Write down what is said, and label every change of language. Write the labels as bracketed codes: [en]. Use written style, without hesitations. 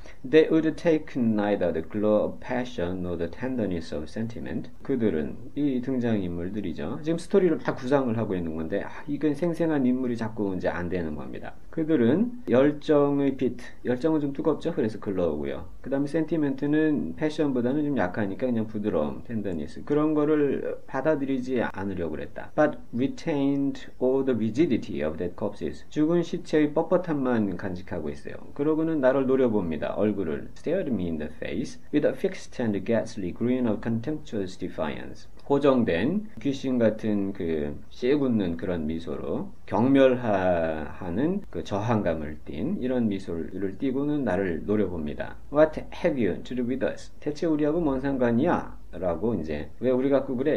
[en] They would take neither the glow of passion nor the tenderness of sentiment. [ko] 그들은 이 등장인물들이죠. 지금 스토리를 다 구상을 하고 있는 건데, 아, 이건 생생한 인물이 자꾸 이제 안 되는 겁니다. 그들은 열정의 빛, 열정은 좀 뜨겁죠. 그래서 글로우고요. 그 다음에 sentiment는 passion보다는 좀 약하니까 그냥 부드러움, tenderness 그런 거를 받아들이지 않으려고 그랬다. [en] But retained all the rigidity of that corpses. [ko] 죽은 시체의 뻣뻣함만 간직하고 있어요. 그러고는 나를 노려봅니다. [en] 얼굴을 stared me in the face with a fixed and ghastly grin of contemptuous defiance. [ko] 고정된 귀신 같은 그 씨군는 그런 미소로 경멸하는 그 저항감을 띤 이런 미소를 띠고는 나를 노려봅니다. [en] What have you to do with us? [ko] 대체 우리하고 뭔 상관이야? 라고 이제 왜 우리 갖고 그래?